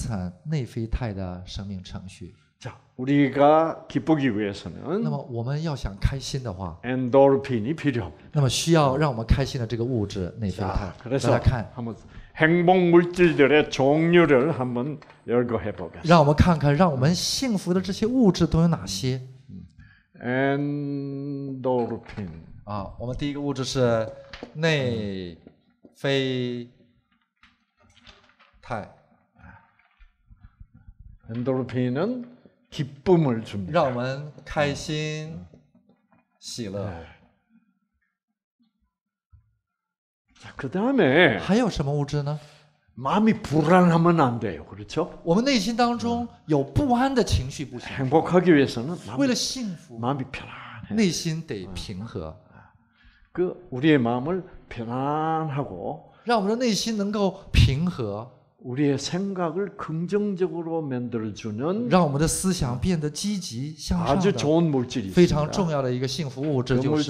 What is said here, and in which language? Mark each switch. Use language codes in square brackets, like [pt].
[zh] 脑细胞里面已经装载了生产内啡肽的生命程序。 [ko] 자, 우리가 기쁘기 위해서는， [zh] 那么我们要想开心的话， [ko] 엔돌핀이 필요합니다. [zh] 那么需要让我们开心的这个物质内啡肽。 [ko] 그래서 한번 행복 물질들의 종류를 한번 열거해 보겠습니다. [zh] 让我们看看让我们幸福的这些物质都有哪些。 [ko] 엔돌핀， [zh] 아, 我们第一个物质是内啡肽。 [ko] 엔돌핀은 기쁨을 줍니다. [zh] 让我们开心喜乐。 [ko] 자, 그다음에 [zh] 还有什么物质呢？ [ko] 마음이불안하면안돼요그렇죠 [zh] 我们内心当中有不安的情绪不行。 [ko] 행복하기위해서는 [zh] 为了幸福， [ko] 마음이편안해 [zh] 内心得平和。 [ko] 그우리의마음을편안하고 [zh] 让我们的内心能够平和。 [ko] 우리의생각을긍정적으로만들어주는 [zh] 让我们的思想变得积极向上 [ko] 아주좋은물질이있습 [zh] 니다非常重要的一个幸福物质就是